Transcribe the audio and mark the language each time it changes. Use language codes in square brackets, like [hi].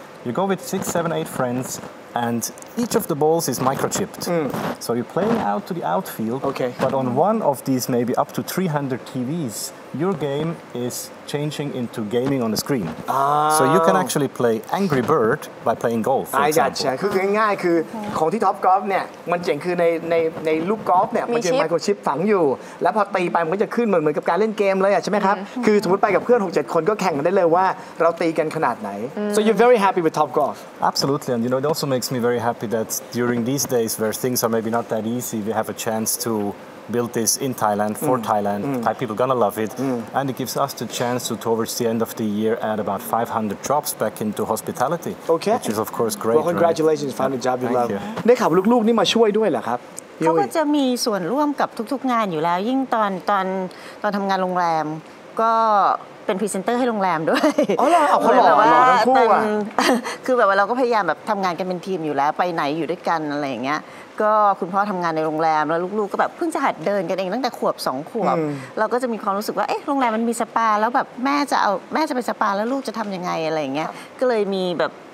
[en] You go with 6, 7, 8 friends and each of the balls is microchipped. So you're playing out to the outfield. Okay. But on one of these maybe up to 300 TVs,Your game is changing into gaming on the screen. So you can actually play Angry Bird by playing golf. I got you. [th] คือง่ายๆคือของที่ Top Golf เนี่ยมันเจ๋งคือในลูกกอล์ฟเนี่ยมันจะมีไมโครชิปฝังอยู่แล้วพอตีไปมันก็จะขึ้นเหมือนกับการเล่นเกมเลยอ่ะใช่ไหมครับคือสมมติไปกับเพื่อน 6-7 คนก็แข่งกันได้เลยว่าเราตีกันขนาดไหน [en] So you're very happy with Top Golf? Absolutely. And you know, it also makes me very happy that during these days where things are maybe not that easy, we have a chance to. Built this in Thailand for Thailand. Thai people gonna love it, and it gives us the chance to towards the end of the year add about 500 jobs back into hospitality. Okay, which is of course great. Well, congratulations, right? found a job you love. [th] ได้ข่าวลูกๆนี่มาช่วยด้วยเหรอครับ เขาก็จะมีส่วนร่วมกับทุกๆงานอยู่แล้วยิ่งตอนทำงานโรงแรมก็เป็นพรีเซนเตอร์ให้โรงแรมด้วย อ๋อล่ะเขาหล่อทั้งคู่อ่ะ คือแบบว่าเราก็พยายามแบบทำงานกันเป็นทีมอยู่แล้วไปไหนอยู่ด้วยกันอะไรอย่างเงี้ยก็คุณพ่อทำงานในโรงแรมแล้วลูกๆก็แบบเพิ่งจะหัดเดินกันเองตั้งแต่ขวบ2ขวบเราก็จะมีความรู้สึกว่าเอ๊ะโรงแรมมันมีสปาแล้วแบบแม่จะไปสปาแล้วลูกจะทำยังไงอะไรอย่างเงี้ยก็เลยมีแบบ